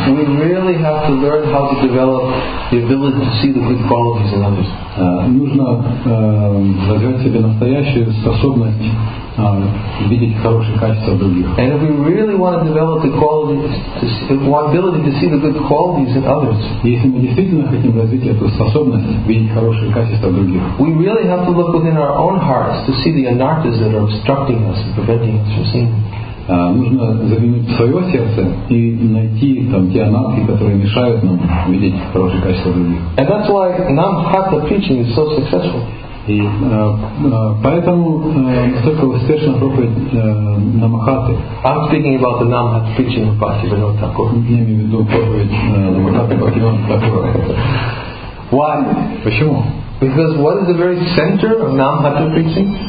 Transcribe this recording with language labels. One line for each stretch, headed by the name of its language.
English: we really have to learn how to develop the ability to see the good qualities in others.
Russian: Нужно развивать в себе настоящую способность видеть хорошие качества других.
English: And if we really want to develop the ability to see the good qualities in others,
Russian: если мы действительно хотим развить эту способность видеть хорошие качества других,
English: we really have to look within our own hearts to see the anarthas that are obstructing us and preventing us from seeing.
Russian: Нужно заглянуть в свое сердце и найти там те анархи, которые мешают нам видеть хорошие качества других.
English: And that's why Namhatta preaching is so successful.
Russian: И поэтому настолько успешно проповедь Намахаты.
English: I'm speaking about the Namhatta preaching of Bhaktivinoda Thakura.
Russian: Я имею в виду проповедь Намахаты Бхактивинода Такура.
English: Why?
Russian: Почему?
English: Because what is the very center of Namhatta preaching?